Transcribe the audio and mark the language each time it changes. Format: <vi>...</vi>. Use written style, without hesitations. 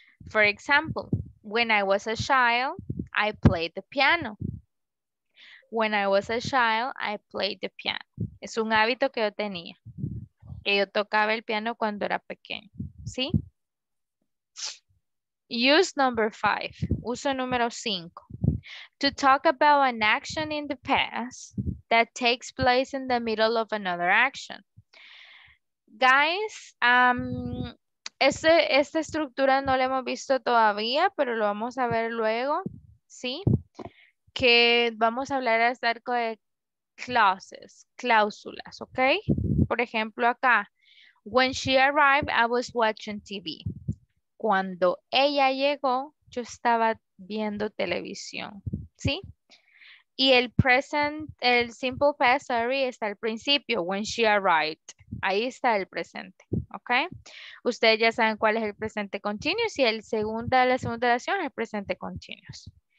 <en>For example, when I was a child, I played the piano. When I was a child, I played the piano.</en> <es>Es un hábito que yo tenía. Que yo tocaba el piano cuando era pequeño. ¿Sí?</es> <en>Use number 5.</en> <es>Uso número 5.</es> <en>To talk about an action in the past that takes place in the middle of another action.</en> <es>Guys, esta estructura no la hemos visto todavía, pero lo vamos a ver luego, ¿sí? Que vamos a hablar acerca de clauses, cláusulas, ¿ok? Por ejemplo, acá,</es> <en>when she arrived, I was watching TV.</en> <es>Cuando ella llegó, yo estaba viendo televisión, ¿sí? Y el present, el simple past, sorry, está al principio,</es> <en>when she arrived.</en> <es>Ahí está el presente, ¿ok? Ustedes ya saben cuál es el presente continuous y la segunda oración es el presente continuous.</es>